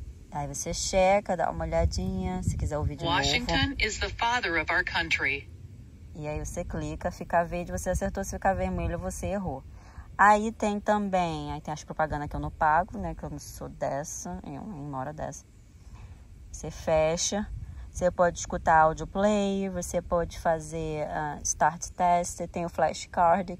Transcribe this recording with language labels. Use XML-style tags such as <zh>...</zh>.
<pt>Aí você checa, dá uma olhadinha, se quiser o vídeo</pt> <en>Washington</en> <pt>novo.</pt> <en>Is the father of our country.</en> <pt>E aí você clica, fica verde, você acertou, se ficar vermelho, você errou. Aí tem também, aí tem as propagandas que eu não pago, né, que eu não sou dessa, eu nem moro dessa. Você fecha, você pode escutar áudio play, você pode fazer start test, tem o flashcard.</pt>